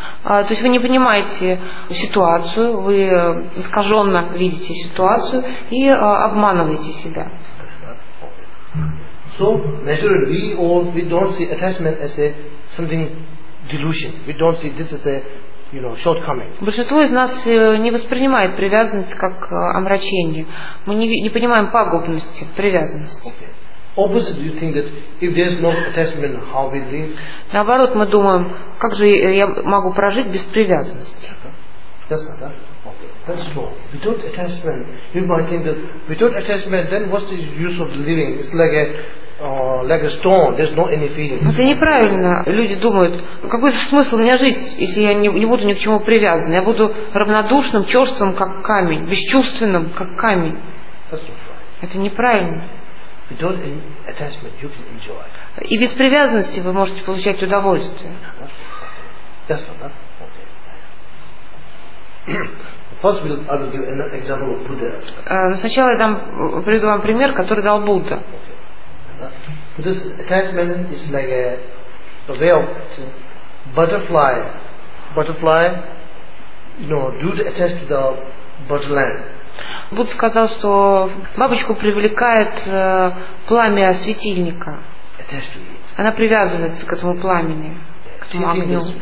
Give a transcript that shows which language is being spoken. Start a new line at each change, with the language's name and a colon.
Russian: То есть вы не понимаете ситуацию, вы искаженно видите ситуацию и обманываете себя.
English: So naturally we don't see attachment as a something delusion. We don't see this as a, you know, shortcoming.
Russian: Большинство из нас не воспринимает привязанность как омрачение. Мы не понимаем пагубности привязанности.
English: Opposite, you think that if there is no attachment, how we live?
Russian: Наоборот, мы думаем, как же я могу прожить без привязанности?
English: That's not that. Okay. That's wrong. Without attachment, you might think that without attachment, then what's the use of living? It's like a stone. There's not any feeling.
Russian: Это неправильно. Люди думают, какой смысл мне жить, если я не буду ни к чему привязан? Я буду равнодушным, черствым, как камень, бесчувственным, как камень.
English: That's not right.
Russian: Это неправильно.
English: Without attachment, you can enjoy.
Russian: И без привязанности вы можете получать удовольствие.
English: That's not that. Okay. First, I will give an example of Buddha.
Russian: Но сначала я приведу вам пример, который дал Будда.
English: This attachment is like a way of butterfly. Butterfly, you know, due to attached to the butterfly.
Russian: Будда сказал, что бабочку привлекает пламя светильника. Она привязывается к этому пламени, к этому огню.